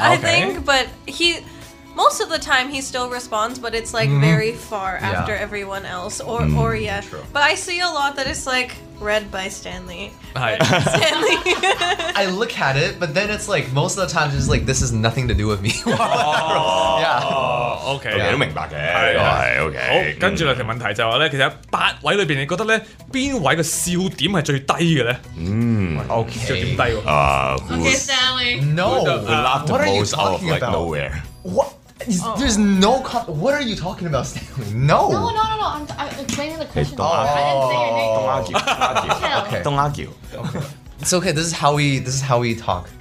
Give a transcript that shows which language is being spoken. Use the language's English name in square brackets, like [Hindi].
[English] I think, but he most of the time he still responds, but it's like very far after everyone else or yet. But I see a lot that it's like. Read by Stanley. Stanley. I look at it, but then it's like most of the time, just like this has nothing to do with me. Okay. [Cantonese] 都明白嘅，係 OK。好，跟住兩條問題就話咧，其實八位裏邊，你覺得咧邊位嘅笑點係最低嘅咧？嗯，OK。 笑點低喎。 [English] Okay, Stanley. No. We laughed the most out of like nowhere. What? There's no. What are you talking about, Stanley? No. I'm explaining the question. Hey, don't argue. I didn't say your name. Don't argue. Okay. It's okay. This is how we talk.